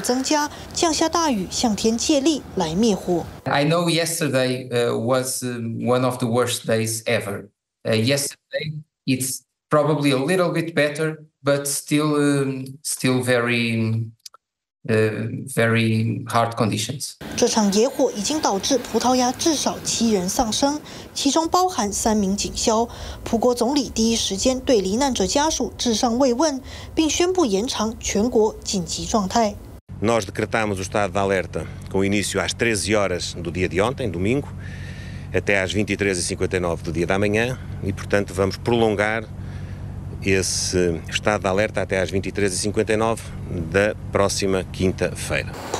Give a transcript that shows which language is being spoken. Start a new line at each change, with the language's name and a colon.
Chinese: 气象专家表示，因为当地天气过热过干，导致野火频发且数日不退，目前只能寄望19日湿度增加、降下大雨、向天借力来灭火。
English: I know yesterday was one of the worst days ever. Yesterday it's probably a little bit better. But still very, very hard conditions.
Chinese: 这场野火已经导致葡萄牙至少7人丧生，其中包含3名警消。葡国总理第一时间对罹难者家属致上慰问，并宣布延长全国紧急状态。
Portuguese: Nós decretamos o estado de alerta com início às 13 horas do dia de ontem, domingo, até às 23h59 do dia da manhã, e portanto vamos prolongar. Esse estado de alerta até às 23h59 da próxima quinta-feira.